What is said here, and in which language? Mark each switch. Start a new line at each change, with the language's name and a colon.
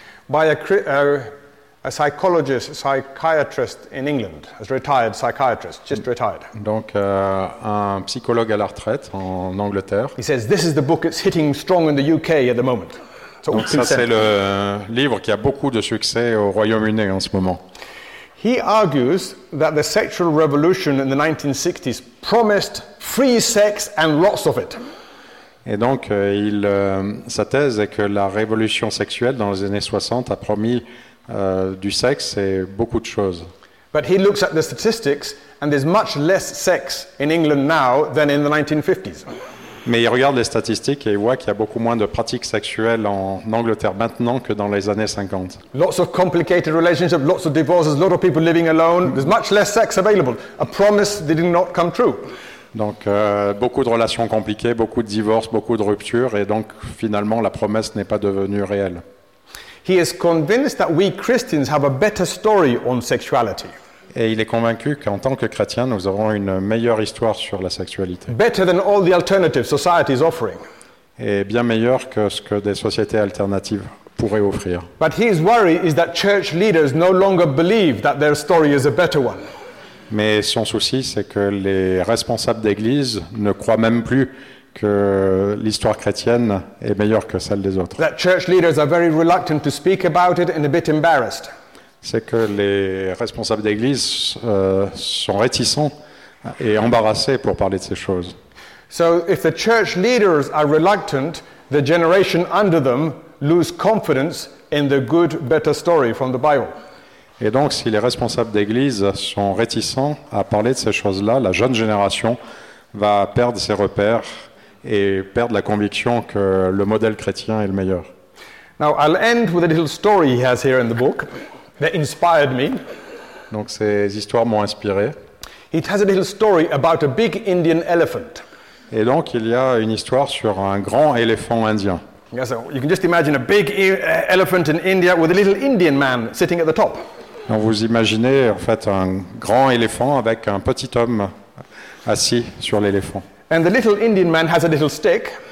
English: By a psychologist, a psychiatrist in England, a retired psychiatrist, just retired.
French: Donc un psychologue à la retraite en Angleterre.
English: He says this is the book that's hitting strong in the UK at the moment.
French: Donc ça c'est le livre qui a beaucoup de succès au Royaume-Uni en ce moment.
English: He argues that the sexual revolution in the 1960s promised free sex and lots of it.
French: Et donc sa thèse est que la révolution sexuelle dans les années 60 a promis du sexe et beaucoup de choses.
English: But he looks at the statistics and there's much less sex in England now than in the 1950s.
French: Mais il regarde les statistiques et il voit qu'il y a beaucoup moins de pratiques sexuelles en Angleterre maintenant que dans les années 50.
English: Lots of complicated relationships, lots of divorces, lots of people living alone. There's much less sex available. A promise that did not come true.
French: Donc beaucoup de relations compliquées, beaucoup de divorces, beaucoup de ruptures, et donc finalement la promesse n'est pas devenue réelle.
English: He is convinced that we Christians have a better story on sexuality.
French: Et il est convaincu qu'en tant que chrétien, nous avons une meilleure histoire sur la sexualité.
English: Better than all the alternative society is offering.
French: Et bien meilleure que ce que des sociétés alternatives pourraient offrir.
English: But his worry is that church leaders no longer believe that their story is a better one.
French: Mais son souci, c'est que les responsables d'église ne croient même plus que l'histoire chrétienne est meilleure que celle des autres.
English: That church leaders are very reluctant to speak about it and a bit embarrassed.
French: C'est que les responsables d'église sont réticents et embarrassés pour parler de ces choses.
English: So if the church leaders are reluctant, the generation under them lose confidence in the good, better story from the Bible.
French: Et donc, si les responsables d'église sont réticents à parler de ces choses-là, la jeune génération va perdre ses repères et perdre la conviction que le modèle chrétien est le meilleur.
English: Now, I'll end with a little story he has here in the book. That inspired me.
French: Donc ces histoires m'ont inspiré.
English: It has a little story about a big Indian elephant.
French: Et donc il y a une histoire sur un grand éléphant indien.
English: Yeah, so you can just imagine a big elephant in India with a little Indian man sitting at the top.
French: Donc vous imaginez en fait un grand éléphant avec un petit homme assis sur l'éléphant.
English: And the little Indian man has a little stick.